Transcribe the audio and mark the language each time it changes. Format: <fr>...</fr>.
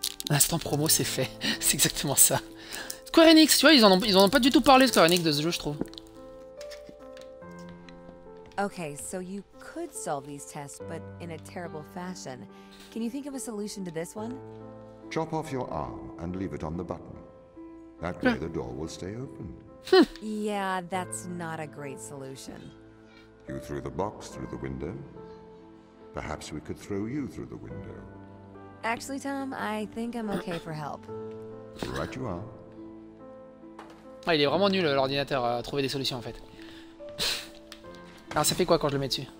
<fr>L'instant promo, c'est fait. C'est exactement ça. Square Enix, tu vois, ils en ont pas du tout parlé, Square Enix, de ce jeu, je trouve. Ok, donc tu pourrais résoudre ces tests, mais d'une façon terrible. Peux-tu penser à une solution à celui-là?</fr> <en>Chop off your arm and leave it on the button. That way, the door will stay open. Yeah, that's not a great solution. You threw the box through the window. Perhaps we could throw you through the window. Actually, Tom, I think I'm okay for help. Right you are.</en> <fr>Ah, il est vraiment nul l'ordinateur à trouver des solutions en fait. Alors ça fait quoi quand je le mets dessus?</fr>